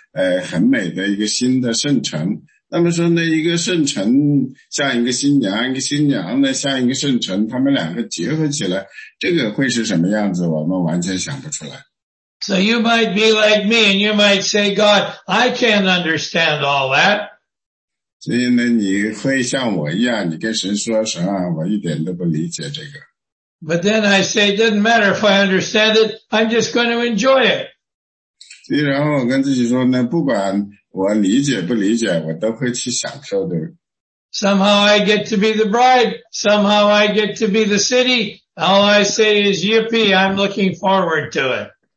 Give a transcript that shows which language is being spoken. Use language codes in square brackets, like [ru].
[zh] 因为这个我们能够理解一点点关于一个美丽的新娘，我们也能理解一个，就是说是一个很美的一个新的圣城。那么说呢，一个圣城像一个新娘，一个新娘呢像一个圣城，他们两个结合起来，这个会是什么样子？我们完全想不出来。 [en] So you might be like me, and you might say, "God, I can't understand all that." [zh] 所以呢，你会像我一样，你跟神说：“神啊，我一点都不理解这个。” [en] But then I say, "It doesn't matter if I understand it. I'm just going to enjoy it." [zh] 所以，然后我跟自己说呢，不管。我理解不理解，我都会去享受的。 [en] Somehow I get to be the bride. Somehow I get to be the city. All I say is, yippee, I'm looking forward to it.